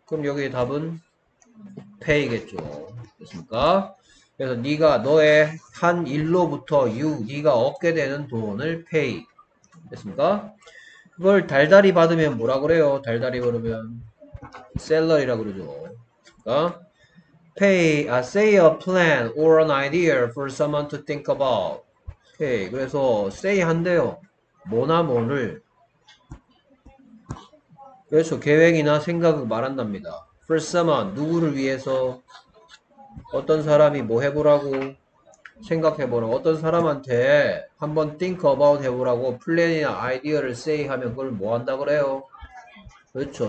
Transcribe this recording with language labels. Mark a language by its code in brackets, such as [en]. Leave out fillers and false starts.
[ko] 그럼 여기에 답은 pay겠죠. 됐습니까? 그래서 네가 너의 한 일로부터 you, 네가 얻게 되는 돈을 pay. 됐습니까? 이걸 달달이 받으면 뭐라 그래요? 달달이 받으면 salary라 그러죠. 됐습니까? [en] Say a plan or an idea for someone to think about. [ko] Okay. 그래서 say 한대요. 뭐나 뭐를 그래서 계획이나 생각을 말한답니다. [en] For someone [ko] 누구를 위해서 어떤 사람이 뭐 해보라고 생각해보라고 어떤 사람한테 한번 think about 해보라고 플랜이나 아이디어를 say 하면 그걸 뭐 한다 그래요? 그렇죠.